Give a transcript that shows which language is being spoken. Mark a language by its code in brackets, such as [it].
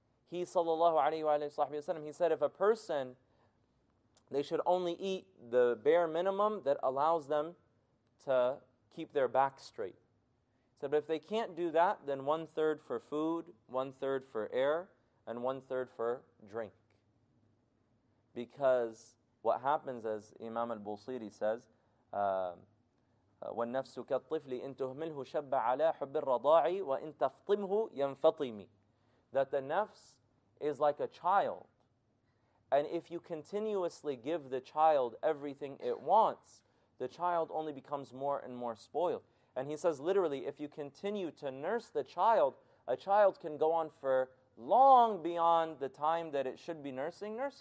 [en] He, sallallahu alayhi wa sallam, he said if a person, they should only eat the bare minimum that allows them to keep their back straight. So, but if they can't do that, then one third for food, one third for air, and one third for drink. Because what happens, as Imam al-Busiri says, [ar] وَالنَّفْسُ كَالطِّفْلِ إِنْ تُهْمِلْهُ شَبَّ عَلَىٰ حُبِّ الرَّضَاعِ وَإِنْ تَفْطِمْهُ يَنْفَطِمِ. [en] That the nafs is like a child. And if you continuously give the child everything it wants, the child only becomes more and more spoiled. And he says, literally, if you continue to nurse the child, a child can go on for long beyond the time that it should be nursing.